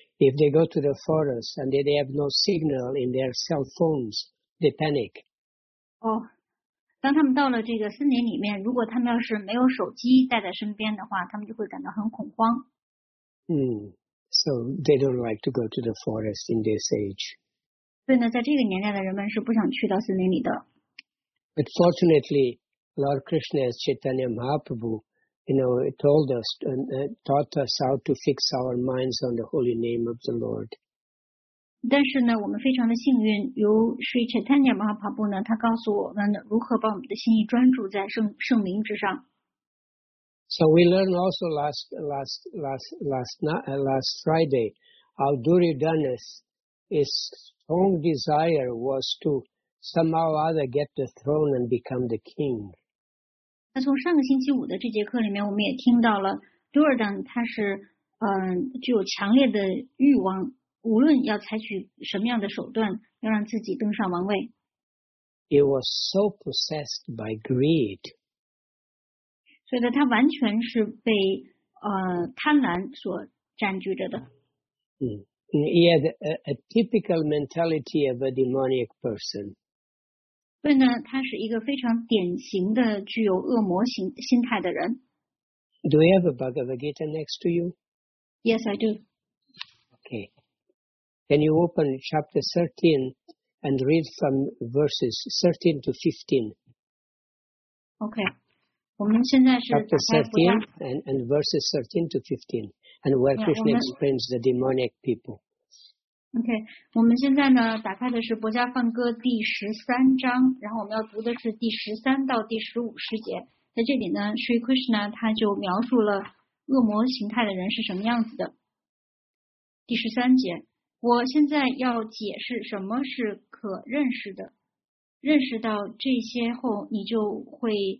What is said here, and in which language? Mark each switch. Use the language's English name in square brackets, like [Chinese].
[English] If they go to the forest and they have no signal in their cell phones, they panic. [Chinese] 当他们到了这个森林里面，如果他们要是没有手机带在身边的话，他们就会感到很恐慌。 [English] So they don't like to go to the forest in this age. [Chinese] 对呢，在这个年代的人们是不想去到森林里的。 [English] But fortunately, Lord Krishna's Chaitanya Mahaprabhu you know, told us and taught us how to fix our minds on the holy name of the Lord. [Chinese] 但是呢，我们非常的幸运，由 Sri Chaitanya Mahaprabhu 呢，他告诉我们如何把我们的心意专注在圣名之上。 [English] So we learned also last Friday how Duryodhana's strong desire was to somehow or other get the throne and become the king. [Chinese] 那从上个星期五的这节课里面，我们也听到了 Duryodhana 他是具有强烈的欲望，无论要采取什么样的手段，要让自己登上王位。 [English] He was so possessed by greed. [Chinese] 所以呢，他完全是被贪婪所占据着的。 [English] He had a typical mentality of a demonic person. [Chinese] 所以呢，他是一个非常典型的具有恶魔心态的人。 [English] Do you have a Bhagavad Gita next to you? Yes, I do. Okay. Can you open chapter 13 and read from verses 13 to 15? [Chinese] Okay. 我们现在是 [English] chapter 13 and verses 13 to 15, and where Krishna explains the demonic people. [Chinese] Okay, 我们现在呢打开的是《薄伽梵歌》第十三章，然后我们要读的是第十三到第十五十节。在这里呢 ，Sri Krishna 他就描述了恶魔形态的人是什么样子的。第十三节，我现在要解释什么是可认识的，认识到这些后，你就会。